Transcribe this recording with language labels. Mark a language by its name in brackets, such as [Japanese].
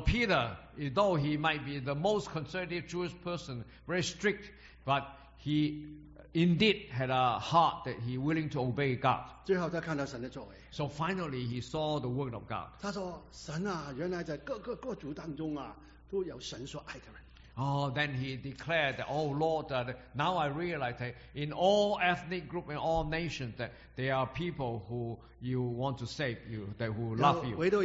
[English] Peter, though he might be the most conservative Jewish person, very strict, but he indeed had a heart that he willing to obey God. [Chinese] 最后他看到神的作为。So [English] finally, he saw the work of God. [Chinese] 他说：“神啊，原来在各个族当中啊，都有神所爱的人。” [English] Oh, then he declared that, oh Lord, now I realize that in all ethnic groups and all nations that there are people who you want to save you, that who love you.